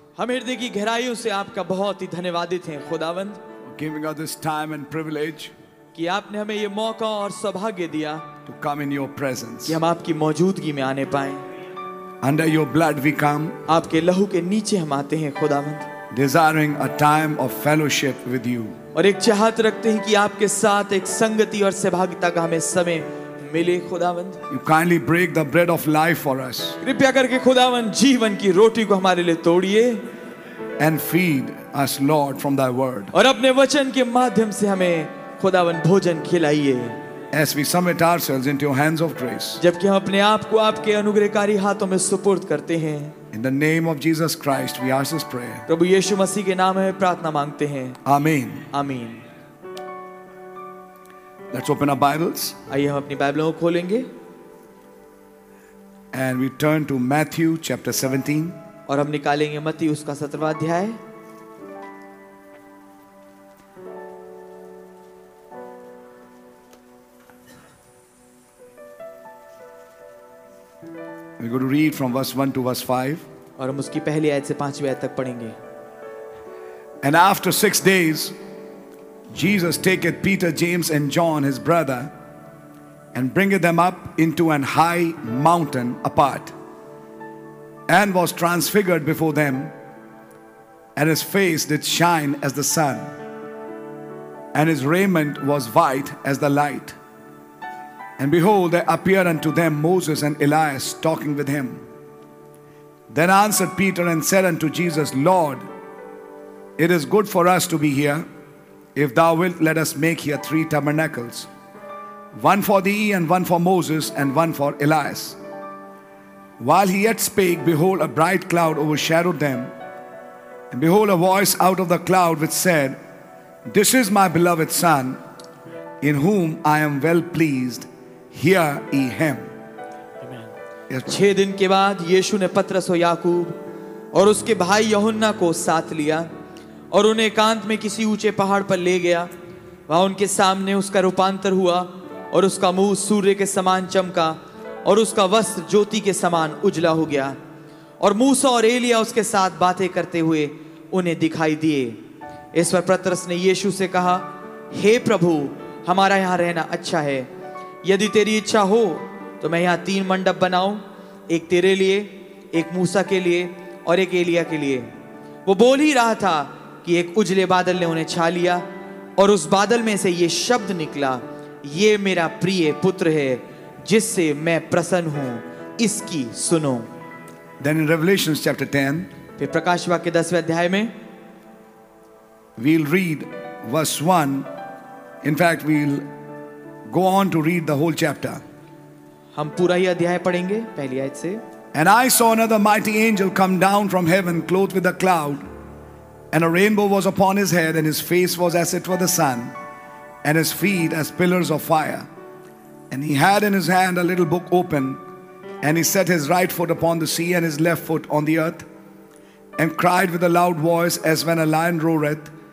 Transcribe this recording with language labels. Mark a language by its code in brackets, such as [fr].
[hi] हम हृदय की गहराइयों से आपका बहुत ही धन्यवादित हैं खुदावंद [en] giving us this time and privilege [hi] कि आपने हमें ये मौका और सौभाग्य दिया [en] to come in your presence [hi] कि हम आपकी मौजूदगी में आने पाए [en] under your blood we come [hi] आपके लहू के नीचे हम आते हैं खुदावंद [en] Desiring a time of fellowship with you. [hi] और एक चाहत रखते हैं कि आपके साथ एक संगति और सहभागिता का हमें समय मिले खुदावंद. [en] You kindly break the bread of life for us. [hi] कृपया करके खुदावंद जीवन की रोटी को हमारे लिए तोड़िए. [en] And feed us, Lord, from Thy word. [hi] और अपने वचन के माध्यम से हमें खुदावंद भोजन खिलाइए. [en] As we submit ourselves into Your hands of grace. [hi] जबकि हम अपने आप को आपके अनुग्रहकारी हाथों में सुपुर्द करते हैं. [en] In the name of Jesus Christ, we ask this prayer. [hi] प्रभु यीशु मसीह के नाम में प्रार्थना मांगते हैं. [en] Amen. Amen. Let's open our Bibles. आइए हम अपनी बाइबलों को खोलेंगे. And we turn to Matthew chapter 17. और हम निकालेंगे मत्ती उसका 17वां अध्याय. We're going to read from verse 1 to verse 5. और हम उसकी पहली आयत से पांचवी आयत तक पढ़ेंगे. And after 6 days, Jesus taketh Peter, James, and John, his brother, and bringeth them up into an high mountain apart, and was transfigured before them, and his face did shine as the sun, and his raiment was white as the light. And behold, there appeared unto them Moses and Elias talking with him. Then answered Peter and said unto Jesus, Lord, it is good for us to be here. If thou wilt, let us make here 3 tabernacles, one for thee, and one for Moses, and one for Elias. While he yet spake, behold, a bright cloud overshadowed them. And behold, a voice out of the cloud which said, This is my beloved Son, in whom I am well pleased. Hear ye him. Amen. [hi] 6 दिन के बाद यीशु ने पत्रस और याकूब और उसके भाई यहुन्ना को साथ लिया और उन्हें एकांत में किसी ऊंचे पहाड़ पर ले गया वहां उनके सामने उसका रूपांतर हुआ और उसका मुंह सूर्य के समान चमका और उसका वस्त्र ज्योति के समान उजला हो गया और मूसा और एलिया उसके साथ बातें करते हुए उन्हें दिखाई दिए इस पर पत्रस ने यीशु से कहा हे प्रभु हमारा यहां रहना अच्छा है यदि तेरी इच्छा हो तो मैं यहां 3 मंडप बनाऊं एक तेरे लिए एक मूसा के लिए और एक एलिया के लिए वो बोल ही रहा था कि एक उजले बादल ने उन्हें छा लिया और उस बादल में से ये शब्द निकला, ये मेरा प्रिय पुत्र है जिससे मैं प्रसन्न हूं, इसकी सुनो। [en] Then in Revelation chapter 10, [hi] फिर प्रकाश वाक्य 10वें अध्याय में [en] we'll read verse 1. In fact, we'll go on to read the whole chapter. [hi] हम पूरा ही अध्याय पढ़ेंगे पहली आयत से। [en] And I saw another mighty angel come down from heaven, clothed with a cloud, and a rainbow was upon his head, and his face was as it were the sun, and his feet as pillars of fire. And he had in his hand a little book open, and he set his right foot upon the sea and his left foot on the earth, and cried with a loud voice as when a lion roareth.